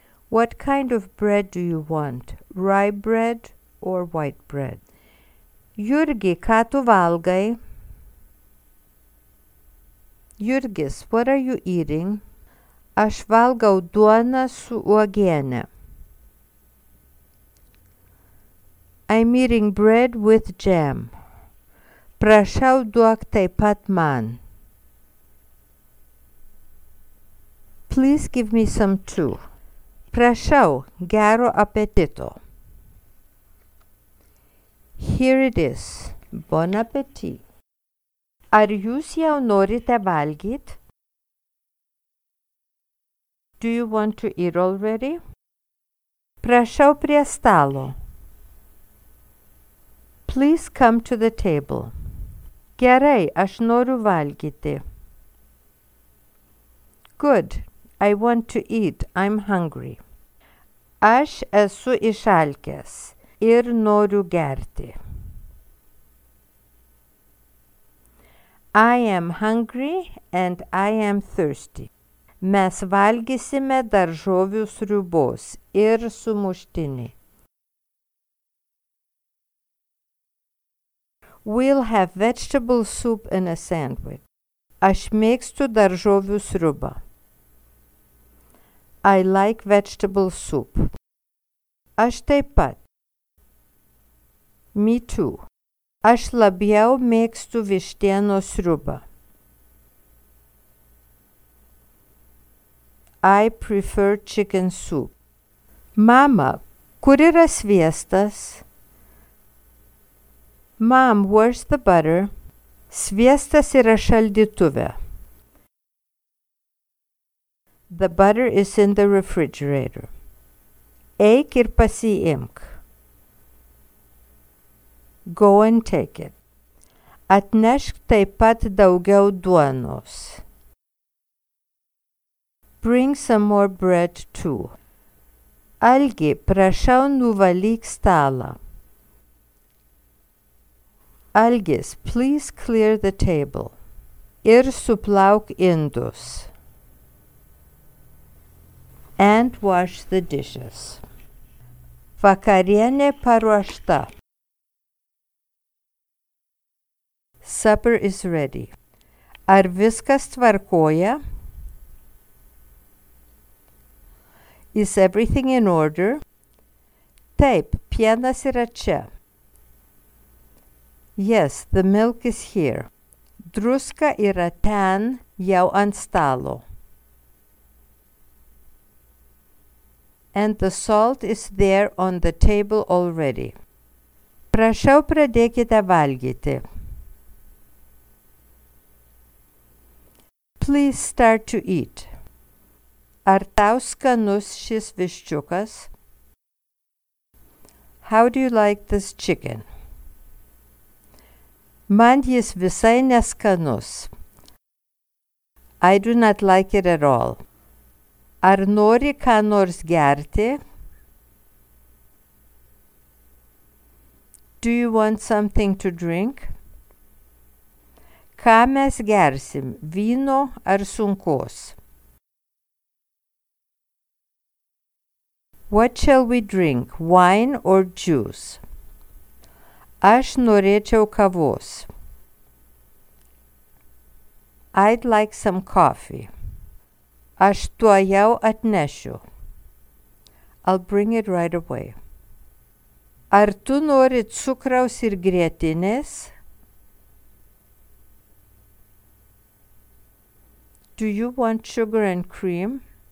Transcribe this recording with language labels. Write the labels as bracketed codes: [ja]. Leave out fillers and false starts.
[en] What kind of bread do you want, rye bread or white bread? [lt] Jurgi, ką tu valgai? [en] Jurgis, what are you eating? [lt] Aš valgau duoną su uogiene. [en] I'm eating bread with jam. [lt] Prašau duok taip pat man. [en] Please give me some too. [lt] Prašau, gero apetito. [en] Here it is. Bon appetit. [lt] Ar jūs jau norite valgyt? [en] Do you want to eat already? [lt] Prašau prie stalo. [en] Please come to the table. [lt] Gerai, aš noriu valgyti. [en] Good, I want to eat, I'm hungry. [lt] Aš esu išalkęs ir noriu gerti. [en] I am hungry and I am thirsty. [lt] Mes valgysime daržovių sriubos ir sumuštinį. [en] We'll have vegetable soup and a sandwich. [lt] Aš mėgstu daržovių sriubą. [en] I like vegetable soup. [lt] Aš taip pat. [en] Me too. [lt] Aš labiau mėgstu vištienos sriubą. [en] I prefer chicken soup. [lt] Mama, kur yra sviestas? [en] Mom, where's the butter? [lt] Sviestas yra šaldytuve. [en] The butter is in the refrigerator. [lt] Eik ir pasiimk. [en] Go and take it. [lt] Atnešk taip pat daugiau duonos. [en] Bring some more bread too. [lt] Algi, prašau nuvalyk stalą. [en] Algis, please clear the table. [lt] Ir suplauk indus. [en] And wash the dishes. [lt] Vakarienė paruošta. [en] Supper is ready. [lt] Ar viskas tvarkoja? [en] Is everything in order? [lt] Taip, pienas yra čia. [en] Yes, the milk is here. [lt] Druska yra ten, jau ant stalo. [en] And the salt is there on the table already. [lt] Prašau, pradėkite valgyti. [en] Please start to eat. [lt] Ar tau skanus šis viščiukas? [en] How do you like this chicken? [lt] Man jis visai neskanus. [en] I do not like it at all. [lt] Ar nori ką nors gerti? [en] Do you want something to drink? [lt] Ką mes gersim, vyno ar sunkos? [en] What shall we drink, wine or juice? [lt] Aš norėčiau kavos. [en] I'd like some coffee. [lt] Aš tuojau atnešiu. [en] I'll bring it right away. [lt] Ar tu nori cukraus ir grietinės? [en] Do you want sugar and cream?